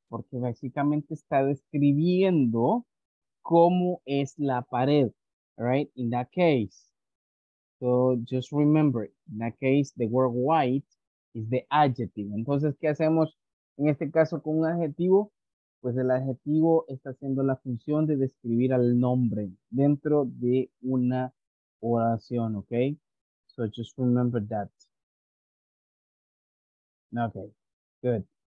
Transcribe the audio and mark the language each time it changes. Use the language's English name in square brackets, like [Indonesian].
[Spanish] Porque básicamente está describiendo cómo es la pared, right? [English] In that case. So just remember, in that case, the word white is the adjective. [Spanish] Entonces, ¿qué hacemos en este caso con un adjetivo? Pues el adjetivo está haciendo la función de describir al nombre dentro de una oración, ¿ok? [English] So just remember that. Okay, good.